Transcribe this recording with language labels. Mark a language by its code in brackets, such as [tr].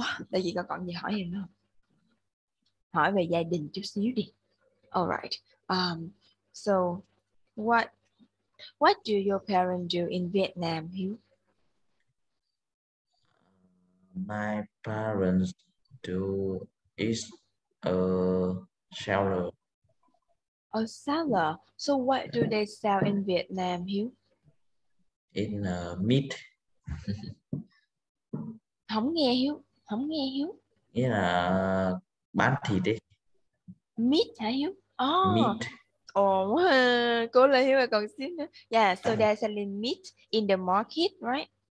[vi] Tại vì có còn gì hỏi em không? Hỏi về gia đình chút xíu đi. [en] Alright. So, what do your parents do in Vietnam, Hiếu? My parents do is a seller. A seller. So what do they sell in Vietnam, Hiếu? In meat. [vi] Không nghe Hiếu. In bán thịt đấy. [en] Meat hả Hiếu? Oh. Meat. [vi] Oh, cố lên Hiếu còn xíu nữa. [en] Yeah, so they're selling meat in the market, right?